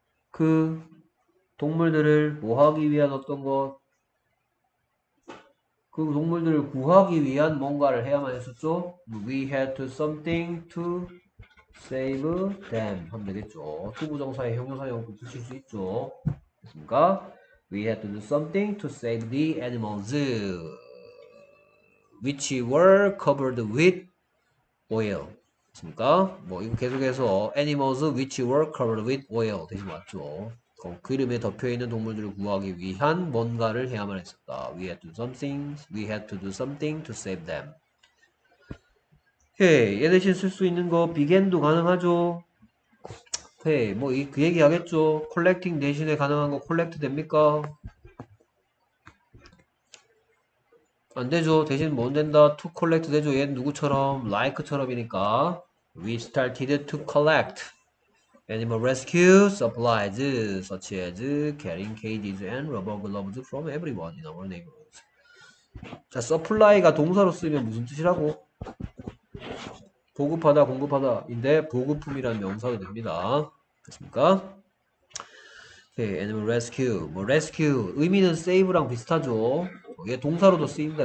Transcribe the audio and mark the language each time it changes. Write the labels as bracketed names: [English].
[Korean] 그 동물들을 뭐 하기 위한 어떤 것? 그 동물들을 구하기 위한 뭔가를 해야만 했었죠? [English] We had to something to save them [Korean] 하면 되겠죠. to 부정사의 형용사형 붙이실 수 있죠. 됐습니까? [English] We had to do something to save the animals which were covered with oil. [Korean] 됐습니까? 뭐 이거 계속해서 [English] animals which were covered with oil [Korean] 되지 맞죠? 기름에 덮여 있는 동물들을 구하기 위한 뭔가를 해야만 했었다. [English] We had to do something to save them. 오케이. [Korean] 얘 대신 쓸수 있는 거 began도 가능하죠. 오케이. 뭐이그 얘기 하겠죠. collecting 대신에 가능한 거 collect 됩니까? 안 되죠. 대신 뭔 된다. to collect 되죠. 얘 누구처럼 like처럼이니까. [English] We started to collect. Animal rescue, supplies, such as carrying cages and rubber gloves from everyone in our neighborhood. [Korean] 자, supply가 동사로 쓰이면 무슨 뜻이라고? 보급하다, 공급하다인데 보급품이라는 명사도 됩니다. 됐습니까? Okay, animal rescue, 뭐 rescue 의미는 save랑 비슷하죠. 이게 동사로도 쓰입니다.